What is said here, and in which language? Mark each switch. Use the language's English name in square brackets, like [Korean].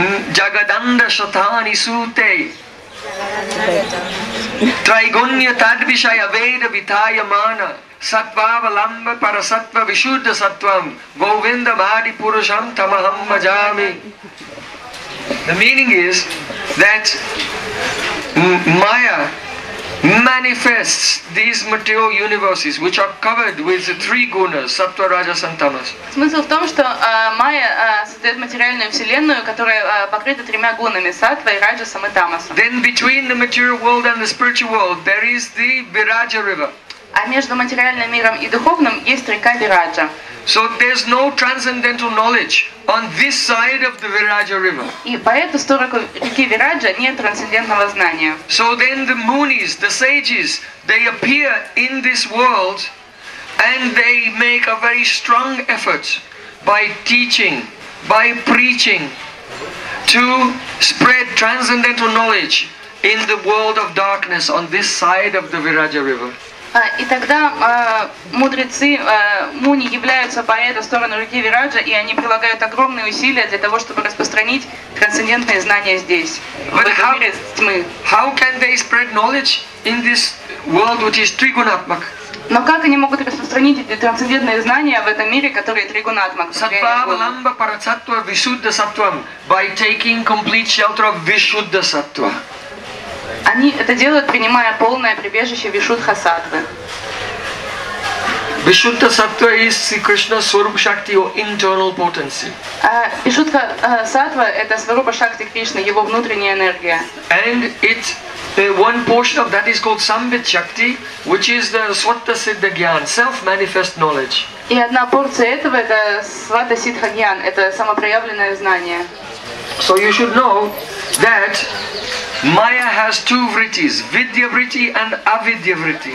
[Sanskrit] Джагаданда шатани суте. Трайгунья тадвишая веда витая мана. Саттвава ламба парасаттва вишуддха саттвам говинда бхади пурушам тамахам бхаджами. [English] The meaning is that Maya manifests these material universes which are covered with the three gunas, [Russian] саттва, раджас и тамас. Смысл в том, что Maya создает материальную вселенную, которая покрыта тремя гунами, саттвой, раджасом и тамасом. [English] Then between the material world and the spiritual world there is the Viraja river. [Russian] А между материальным миром и духовным есть река Вираджа. [English] So there's no transcendental knowledge on this side of the Viraja river. [Russian] И по эту сторону реки Вираджа нет трансцендентного знания. [English] So then the munis, the sages, they appear in this world and they make a very strong effort by teaching, by preaching to spread transcendental knowledge in the world of darkness on this side of the Viraja river. [Russian] И тогда мудрецы муни являются по эту сторону реки Вираджа, и они прилагают огромные усилия для того, чтобы распространить трансцендентные знания здесь, [English] But [Russian] в этом мире тьмы. [English] How can they spread knowledge in this world which is тригунатмак? [Russian] Но как они могут распространить эти трансцендентные знания в этом мире, который тригунатмак? [Sanskrit] Саттва ламба парасаттва вишуддха саттвам [English] by taking complete shelter of вишуддха саттва. [Russian] Они это делают, принимая полное прибежище Вишудха Саттвы. [English] Вишудха Саттва is Sri Krishna Swarupa Shakti, or internal potency. [Russian] Вишудха Саттва это Сварупа Шакти Кришны, его внутренняя энергия. [English] And it one portion of that is called Samvit Shakti, which is the Svatta Siddha Gyan, self-manifest knowledge. [Russian] И одна порция этого это Svatta Siddha Gyan, это самопроявленное знание. [English] So you should know that Maya has two vrittis, Vidya vritti and Avidya vritti.